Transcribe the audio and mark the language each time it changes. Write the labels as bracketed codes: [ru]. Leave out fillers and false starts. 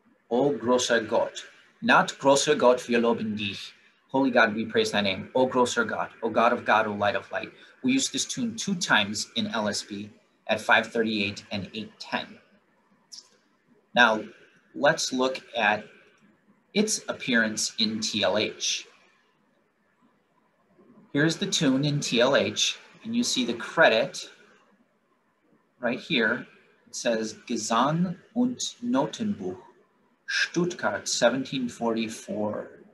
[de] O großer Gott, not großer Gott, wir loben dich. [en] Holy God, we praise thy name. [de] O großer Gott, [en] O God of God, O light of light. We use this tune two times in LSB at 538 and 810. Now, let's look at its appearance in TLH. Here's the tune in TLH, and you see the credit right here. It says Gesang und Notenbuch, Stuttgart, 1744.